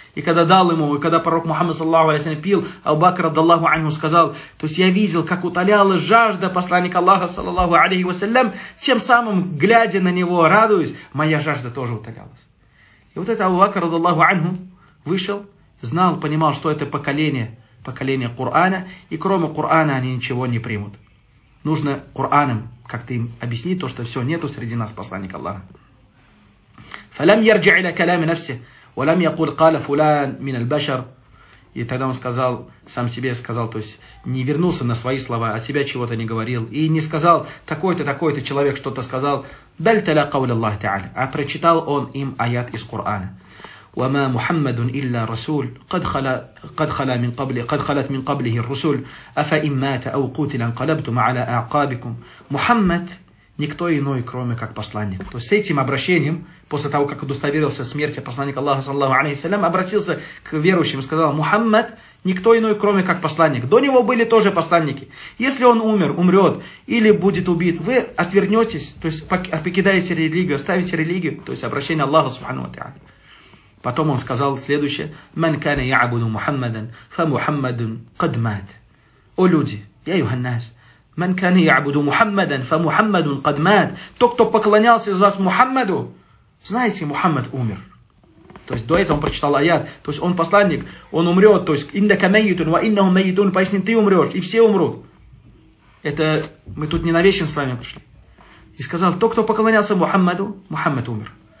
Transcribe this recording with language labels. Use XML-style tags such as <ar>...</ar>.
<ru>И когда дал ему, и когда пророк Мухаммад, саллаллаху алейхи ва саллям, пил, Абу Бакр радиаллаху анху сказал, то есть я видел, как утолялась жажда посланника Аллаха, саллаллаху алейхи ва саллям, тем самым, глядя на него, радуясь, моя жажда тоже утолялась. И вот это Абу Бакр радиаллаху анху вышел, знал, понимал, что это поколение, поколение Кур'ана, и кроме Кур'ана они ничего не примут. Нужно Кур'аном как-то им объяснить то, что все, нету среди нас посланника Аллаха.</ru> <ar>فلم يرجع الى كلام نفسه ولم يقول قال فلان من البشر.</ar> <ru>И тогда он сказал, сам себе сказал, то есть не вернулся на свои слова, о себя чего-то не говорил и не сказал такой-то, такой-то человек что-то сказал.</ru> <ar>بل تلا قول الله تعالى.</ar> <ru>А прочитал он им аят из Корана.</ru> <ar>وما محمد الا رسول قد خلت من قبله الرسل افان مات او قتل انقلبتم على اعقابكم.</ar> <ru>محمد никто иной, кроме как посланник. То есть с этим обращением, после того, как удостоверился смерти посланника Аллаха, саллаллаху алейхи ва саллям, обратился к верующим и сказал, Мухаммад, никто иной, кроме как посланник. До него были тоже посланники. Если он умрет или будет убит, вы отвернетесь, то есть покидаете религию, оставите религию, то есть обращение Аллаха, субхану ва тааля. Потом он сказал следующее,</ru> <ar>«Ман кана яабуду Мухаммадан, фа Мухаммадун кад мат».</ar> <ru>О люди, я юханнас.</ru> <ar>من كان يعبد محمدا فمحمد قد مات.</ar> <ru>Тот, кто поклонялся из вас Мухаммаду, знаете, Мухаммад умер. То есть до этого он прочитал аят, то есть он посланник, он умрет, то есть</ru> <ar>иннака майтун ва иннахум майтун,</ar> <ru>поясни, ты умрешь и все умрут. Это мы тут не на вечность с вами пришли. И сказал, тот, кто поклонялся Мухаммаду, Мухаммад умер.</ru>